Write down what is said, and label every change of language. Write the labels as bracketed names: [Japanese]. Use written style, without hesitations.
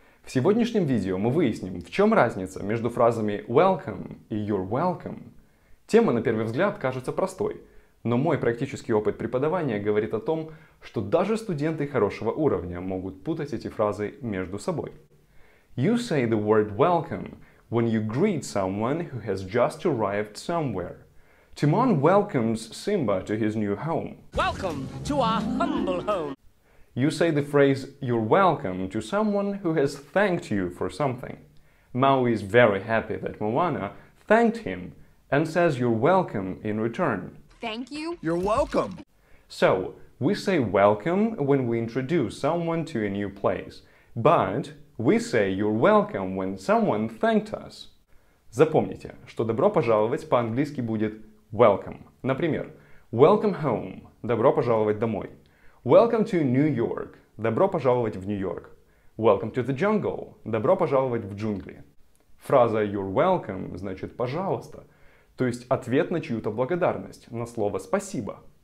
[Russian] В сегодняшнем видео мы выясним, в чем разница между фразами welcome и you're welcome. Тема, на первый взгляд, кажется простой, но мой практический опыт преподавания говорит о том, что даже студенты хорошего уровня могут путать эти фразы между собой. [English] You say the word welcome when you greet someone who has just arrived somewhere. Timon welcomes Simba to his new home. Welcome to our humble home. You say the phrase you're welcome to someone who has thanked you for something. Maui is very happy that Moana thanked him and says you're welcome in return. Thank you. You're welcome. So, we say welcome when we introduce someone to a new place, but we say you're welcome when someone thanked us. [Russian] Запомните, что добро пожаловать по-английски будет welcome. Например, [English] welcome home [Russian] – добро пожаловать домой. [English] Welcome to New York [Russian] – добро пожаловать в Нью-Йорк. [English] Welcome to the jungle [Russian] – добро пожаловать в джунгли. Фраза you're welcome значит «пожалуйста», то есть ответ на чью-то благодарность, на слово «спасибо».